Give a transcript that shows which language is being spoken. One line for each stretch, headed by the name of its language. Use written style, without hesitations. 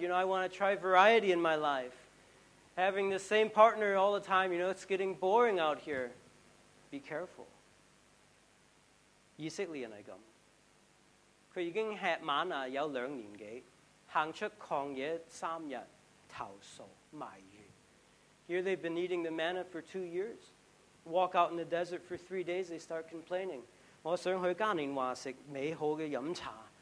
English: You know, I want to try variety in my life. Having the same partner all the time, you know, it's getting boring out here. Be careful.
Cantonese: 以色列人係咁，佢已經吃瑪拿有兩年幾，行出曠野三日，投訴埋怨。
English: Here they've been eating the manna for 2 years. Walk out in the desert for 3 days, they start complaining.
Cantonese: 我想去加甸話食美好嘅飲茶。